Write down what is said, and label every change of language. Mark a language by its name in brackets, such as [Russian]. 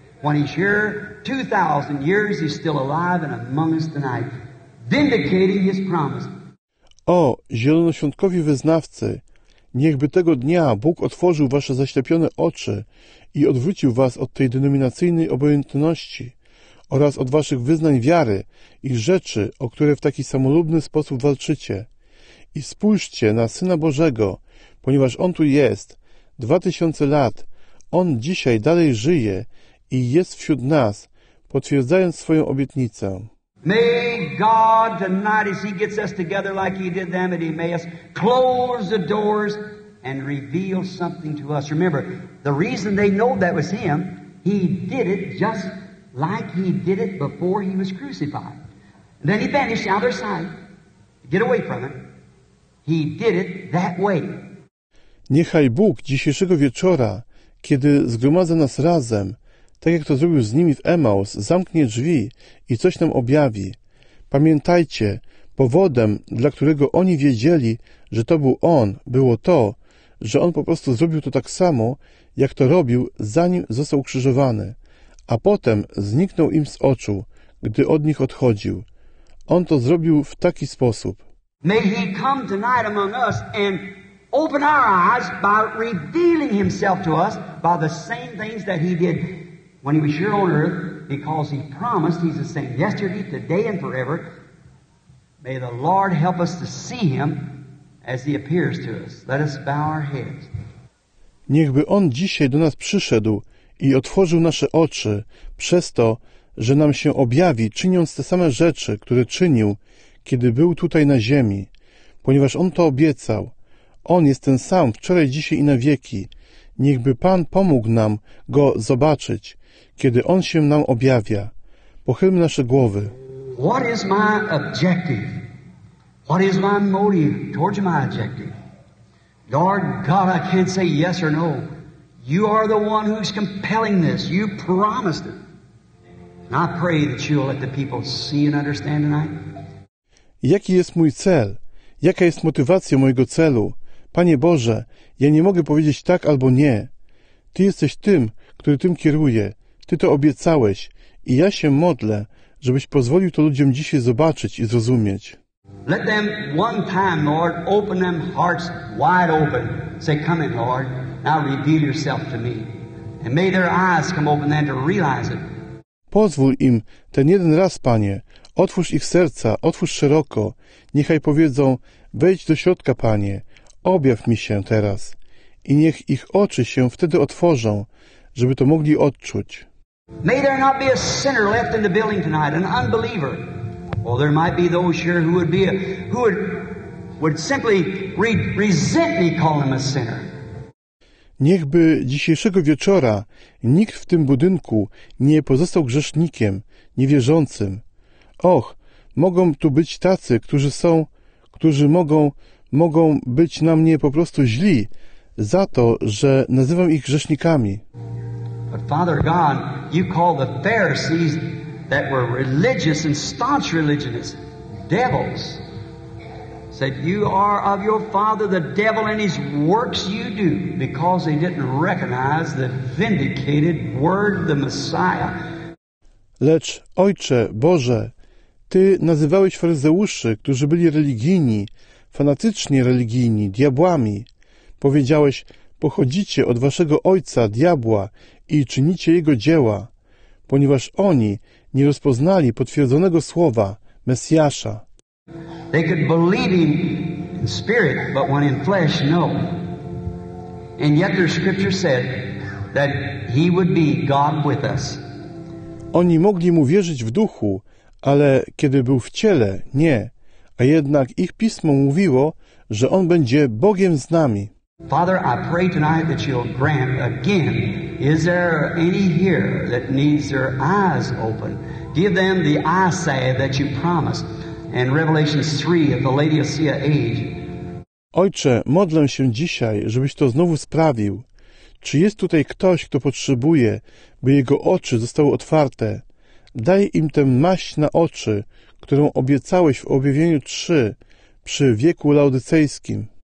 [English] When he's here 2,000 years, he's still alive and among us tonight, vindicating his promise. [Polish] O, zielonoświątkowi wyznawcy, niechby tego dnia Bóg otworzył wasze zaślepione oczy i odwrócił was od tej denominacyjnej obojętności oraz od waszych wyznań wiary i rzeczy, o które w taki samolubny sposób walczycie. I spójrzcie na Syna Bożego, ponieważ On tu jest 2000 lat, On dzisiaj dalej żyje i jest wśród nas, potwierdzając swoją obietnicę. [English] May God tonight, as He gets us together like He did them at Emmaus, close the doors and reveal something to us. Remember, the reason they know that was Him, He did it just like He did it before He was crucified. And then He vanished out of their sight. Get away from it. He did it that way. [Polish] Niechaj Bóg dzisiejszego wieczora, kiedy zgromadza nas razem, tak jak to zrobił z nimi w Emaus, zamknie drzwi i coś nam objawi. Pamiętajcie, powodem, dla którego oni wiedzieli, że to był On, było to, że On po prostu zrobił to tak samo, jak to robił, zanim został ukrzyżowany. A potem zniknął im z oczu, gdy od nich odchodził. On to zrobił w taki sposób. [English] May He come tonight among us and open our eyes by revealing Himself to us by the same things that He did when He was here on earth, because He promised He's the same yesterday, today, and forever. May the Lord help us to see Him as He appears to us. Let us bow our heads. [Polish] Niechby On dzisiaj do nas przyszedł i otworzył nasze oczy przez to, że nam się objawi, czyniąc te same rzeczy, które czynił, kiedy był tutaj na ziemi, ponieważ On to obiecał. On jest ten sam wczoraj, dzisiaj i na wieki. Niechby Pan pomógł nam Go zobaczyć, kiedy On się nam objawia. Pochylmy nasze głowy. [English] What is my objective? What is my motive towards my objective? Lord God, I can't say yes or no. You are the one who's compelling this. You promised it. And I pray that you'll let the people see and understand tonight. [Polish] Jaki jest mój cel? Jaka jest motywacja mojego celu? Panie Boże, ja nie mogę powiedzieć tak albo nie. Ty jesteś tym, który tym kieruje. Ty to obiecałeś i ja się modlę, żebyś pozwolił to ludziom dzisiaj zobaczyć i zrozumieć. [English] Let them one time, Lord, open them hearts wide open. Say, come in, Lord, now reveal yourself to me. And may their eyes come open then to realize it. [Polish] Pozwól im ten jeden raz, Panie, otwórz ich serca, otwórz szeroko. Niechaj powiedzą, wejdź do środka, Panie, objaw mi się teraz. I niech ich oczy się wtedy otworzą, żeby to mogli odczuć. [English] May there not be a sinner left in the building tonight, an unbeliever. Well, there might be those here who would be a, who would simply resent me calling them a sinner. [Polish] Niechby dzisiejszego wieczora nikt w tym budynku nie pozostał grzesznikiem, niewierzącym. Och, mogą tu być tacy, którzy mogą być na mnie po prostu źli za to, że nazywam ich grzesznikami. [English] But Father God, you call the Pharisees that were religious and staunch religionists devils. Said, you are of your father the devil and his works you do, because they didn't recognize the vindicated word, the Messiah. [Polish] Lecz Ojcze Boże, Ty nazywałeś faryzeuszy, którzy byli religijni, fanatycznie religijni, diabłami. Powiedziałeś, pochodzicie od waszego ojca, diabła, i czynicie jego dzieła, ponieważ oni nie rozpoznali potwierdzonego słowa Mesjasza. [English] They could believe him in spirit, but when in flesh, no. And yet their scripture said that he would be God with us. [Polish] Oni mogli mu wierzyć w duchu, ale kiedy był w ciele, nie. A jednak ich pismo mówiło, że on będzie Bogiem z nami. [English] Father, I pray tonight that you'll grant again. Is there any here that needs their eyes open? Give them the eyesight that you promised. And Revelation 3 of the Laodicea age. [Polish] Ojcze, modlę się dzisiaj, żebyś to znowu sprawił. Czy jest tutaj ktoś, kto potrzebuje, by jego oczy zostały otwarte? Daj im tę maść na oczy, którą obiecałeś w objawieniu 3 przy wieku laodycejskim.